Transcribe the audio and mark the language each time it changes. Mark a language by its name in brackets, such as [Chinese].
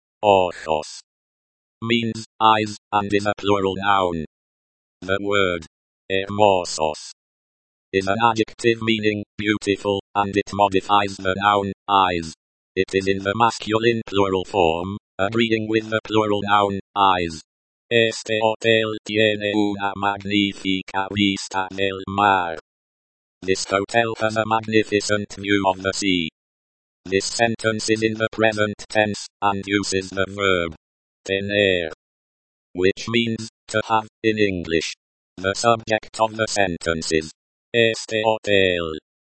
[English] ojos means eyes, and is a plural noun. The word hermosos is an adjective meaning beautiful, and it modifies the noun eyes. It is in the masculine plural form, agreeing with the plural noun eyes. [Spanish] Este hotel tiene una magnífica vista del mar. [English] This hotel has a magnificent view of the sea. This sentence is in the present tense, and uses the verb [Spanish] tener, [English] which means, to have, in English. The subject of the sentence is [Spanish] este hotel.